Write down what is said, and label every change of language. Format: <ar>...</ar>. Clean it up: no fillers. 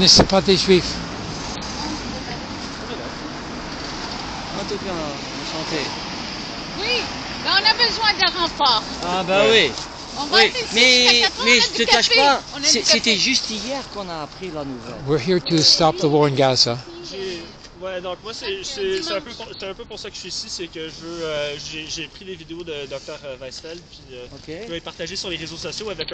<fr>Ne sont pas des juifs. En tout cas, enchanté. Oui, ben on a besoin de renforts. Ah ben oui. Oui, mais je te cache pas, c'était juste hier qu'on a appris la nouvelle.</fr> <en>We're here to stop the war in Gaza.</en> <fr>Ouais, donc moi, c'est un peu pour ça que je suis ici, c'est que je veux, j'ai pris des vidéos de Dr. Weisfeld, puis je vais les partager sur les réseaux sociaux avec un</fr>